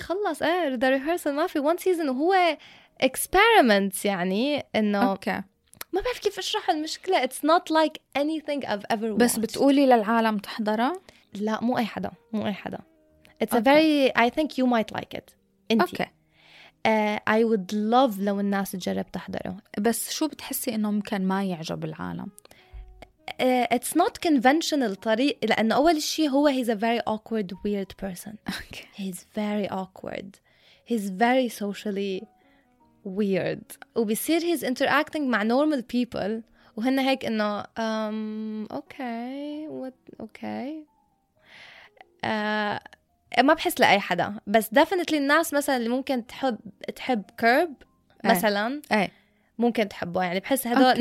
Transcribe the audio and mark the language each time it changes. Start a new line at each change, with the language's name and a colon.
Arabic: خلص ايه the rehearsal, ما في
English: one season,
Arabic: وهو experiment يعني انه
English: okay.
Arabic: ما بعرف كيف اشرح المشكلة,
English: it's not like anything I've ever watched.
Arabic: بس بتقولي للعالم تحضره؟ لا مو اي حدا, مو اي حدا.
English: It's okay. a very, I think you might like it.
Arabic: انتي
English: okay. I would love
Arabic: لو الناس تجرب تحضره. بس شو بتحسي انه ممكن ما يعجب العالم؟
English: It's not conventional
Arabic: طريق, لانه اول شيء هو
English: he's a very awkward weird person. Okay. He's very awkward. He's very socially weird.
Arabic: وبيصير
English: he's interacting
Arabic: مع
English: normal people
Arabic: وهن هيك انه
English: okay what okay
Arabic: ما بحس لأي حدا. بس definitely الناس مثلا اللي ممكن تحب كيرب مثلا ممكن تحبه, يعني بحس هدول okay.